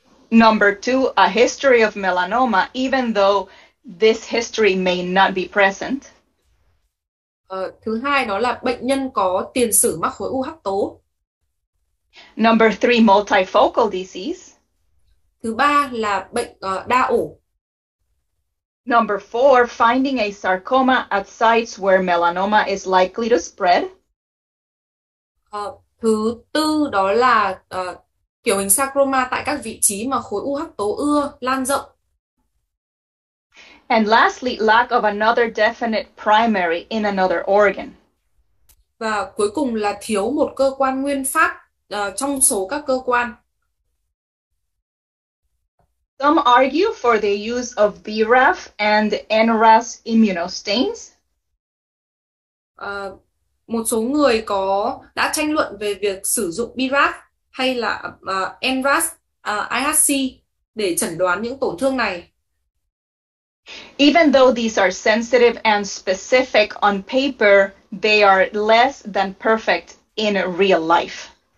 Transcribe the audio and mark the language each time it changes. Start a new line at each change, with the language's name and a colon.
English: Number two, a history of melanoma, even though this history may not be present.
Vietnamese: Thứ hai đó là bệnh nhân có tiền sử mắc khối u hắc tố.
English: Number three, multifocal disease.
Vietnamese: Thứ ba là bệnh đa ổ.
English: Number four, finding a sarcoma at sites where melanoma is likely to spread.
Vietnamese: Thứ tư đó là kiểu hình sarcoma tại các vị trí mà khối u hắc tố ưa lan rộng.
English: And lastly, lack of another definite primary in another organ.
Vietnamese: Và cuối cùng là thiếu một cơ quan nguyên phát trong số các cơ quan.
English: Some argue for the use of BRAF and NRAS immunostains.
Vietnamese: Một số người đã tranh luận về việc sử dụng BRAF hay là NRAS IHC để chẩn đoán những tổn thương này.
English: Even though these are sensitive and specific on paper, they are less than perfect in real life.